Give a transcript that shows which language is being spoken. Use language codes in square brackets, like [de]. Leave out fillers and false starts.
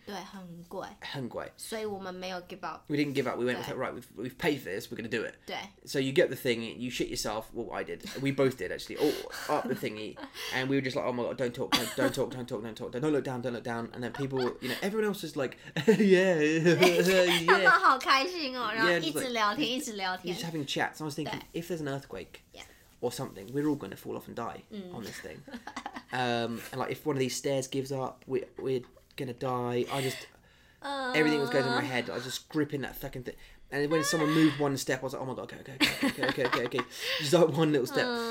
[zh] 对，很贵。很贵.所以我们没有 [en] give up. We didn't give up. We went, right, we've paid for this, we're going to do it. [zh] 对. [en] So you get the thingy, you shit yourself. Well, I did. We both did, actually. All up the thingy. And we were just like, oh my god, don't talk, don't talk, don't talk, don't talk. Don't look down, don't look down. And then people, you know, everyone else is like, yeah. [zh] 他们好开心哦，然后一直聊天，一直聊天。 [en] You're just having chats. I was thinking, if there's an earthquake or something, we're all going to fall off and die on this thing. And like, if one of these stairs gives up, we're gonna die. I just everything was going through my head. I was just gripping that fucking thing. And when someone moved one step, I was like, oh my god, okay. Just like one little step.